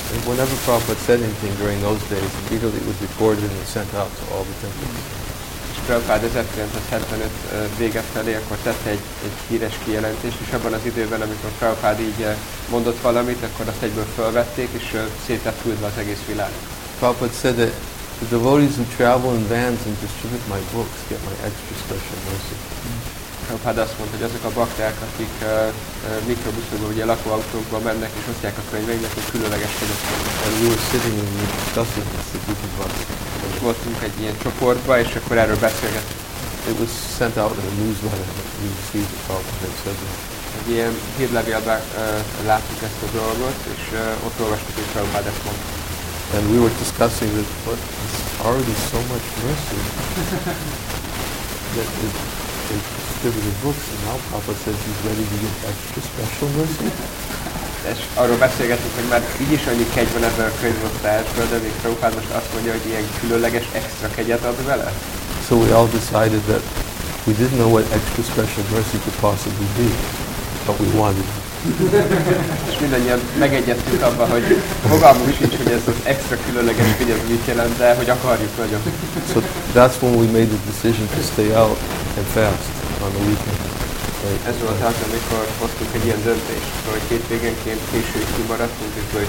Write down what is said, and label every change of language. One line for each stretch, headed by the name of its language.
English: And whenever Prabhupada said anything during those days, immediately it was recorded and sent out to all the temples.
Hungarian: Prabhupada 1975 vége felé, akkor tett egy híres kijelentést, és abban az időben, amikor Prabhupada így mondott valamit, akkor azt egyből felvették, és szét lett küldve az egész világ.
English: Prabhupada said that the devotees who travel in vans and distribute my books get my extra special mercy.
Hungarian: Prabhupada azt mondta, hogy azok a bakták, akik mikrobuszokban, ugye lakóautókban mennek, és osztják a könyveinket, hogy különleges kedvesek.
English: And we were sitting and we discussed this, the group of us.
Hungarian: És voltunk egy ilyen csoportban, és akkor erről beszélgettünk.
English: It was sent out in a newsletter that we received the Prabhupada had said that.
Hungarian: Egy ilyen hírlevélben láttuk ezt a dolgot, és ott olvastuk, hogy Prabhupada ezt mondta.
English: And we were discussing that, but it's already so much mercy that they distributed books, and now Papa says he's ready to give extra special mercy.
Hungarian: És arról beszélgetünk, hogy már így is annyi kegy van ebben a könyvosztásban, de még Prabhupád most azt mondja, hogy ilyen különleges extra kegyet ad vele.
English: So we all decided that we didn't know what extra special mercy could possibly be, but we wanted it.
Hungarian: És mindannyian megegyeztünk abban, hogy fogalmunk sincs, hogy ez az extra különleges figyelem mit jelent, de hogy akarjuk nagyon.
English: So that's when we made the decision to stay out and fast on the weekend.
Hungarian: Ez volt az, amikor hoztunk egy ilyen döntést, hogy két végenként később kimaradtunk és